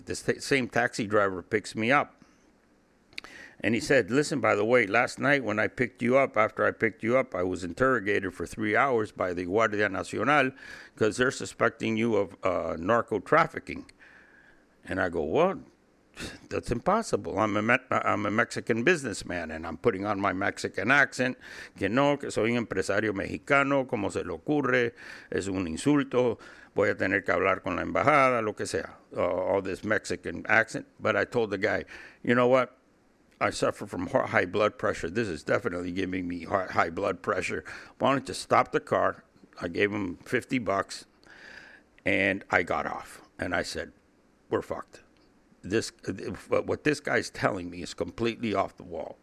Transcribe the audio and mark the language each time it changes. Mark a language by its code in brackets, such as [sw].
[en] The same taxi driver picks me up. And he said, listen, by the way, last night when I picked you up, after I picked you up, I was interrogated for 3 hours by the Guardia Nacional because they're suspecting you of narco trafficking. And I go, well, that's impossible. I'm a Mexican businessman, and I'm putting on my Mexican accent. [es] Que no, que soy empresario mexicano, como se le ocurre, es un insulto. Voy a tener que hablar con la embajada, lo que sea. [en] All this Mexican accent. But I told the guy, you know what? I suffer from high blood pressure. This is definitely giving me high blood pressure. Wanted to stop the car. I gave him $50, and I got off. And I said, we're fucked. What this guy's telling me is completely off the wall.